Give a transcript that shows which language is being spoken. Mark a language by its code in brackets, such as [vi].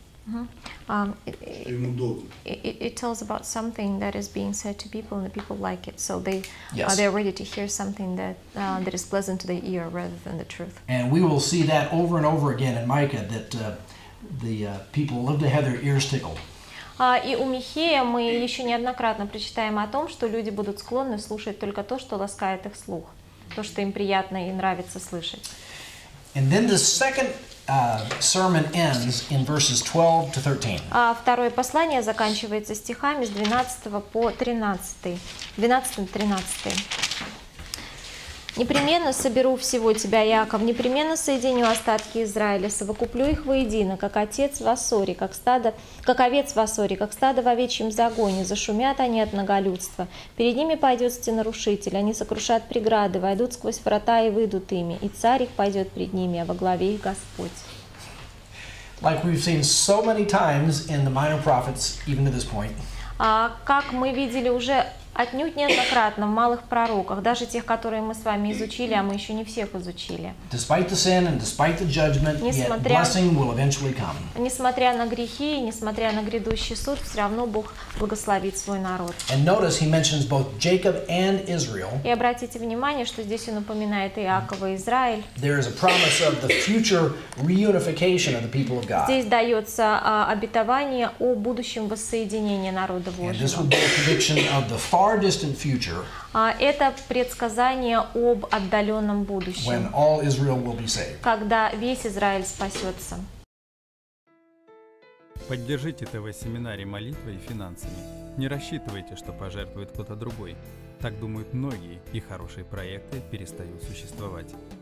[en] It tells about something that is being said to people, and the people like it, so they are ready to hear something that is pleasant to the ear rather than the truth. And we will see that over and over again in Micah, that people love to have their ears tickled. [ru] И у Михея мы еще неоднократно прочитаем о том, что люди будут склонны слушать только то, что ласкает их слух, то, что им приятно и нравится слышать. [en] And then the second sermon ends in verses 12 to 13. [ru] Второе послание заканчивается стихами с 12 по 13. 12-13. «Непременно соберу всего тебя, Яков, непременно соединю остатки Израиля, совокуплю их воедино, как отец в Ассоре, как овец в Ассоре, как стадо в овечьем загоне, зашумят они от многолюдства. Перед ними пойдет стенорушитель, они сокрушат преграды, войдут сквозь врата и выйдут ими, и царь их пойдет пред ними, а во главе их Господь». [en] Like we've seen so many times in the minor prophets, even to this point. [ru] Как мы видели уже отнюдь неоднократно в малых пророках, даже тех, которые мы с вами изучили, а мы еще не всех изучили. [en] Despite the sin and despite the judgment, [ru] несмотря, [en] blessing will eventually come. [ru] Несмотря на грехи и несмотря на грядущий суд, все равно Бог благословит свой народ. [en] And notice he mentions both Jacob and Israel. [ru] И обратите внимание, что здесь он упоминает Иакова и Израиль. [en] There is a promise of the future reunification of the people of God. [ru] Здесь дается обетование о будущем воссоединении народа Божьего. [en] And this would be a prediction of the far distant future. [ru] Это предсказание об отдаленном будущем. [en] When all Israel will be saved. [ru] Когда весь Израиль спасется. Поддержите ТВ-семинарий молитвой и финансами. Не рассчитывайте, что пожертвует кто-то другой. Так думают многие, и хорошие проекты перестают существовать.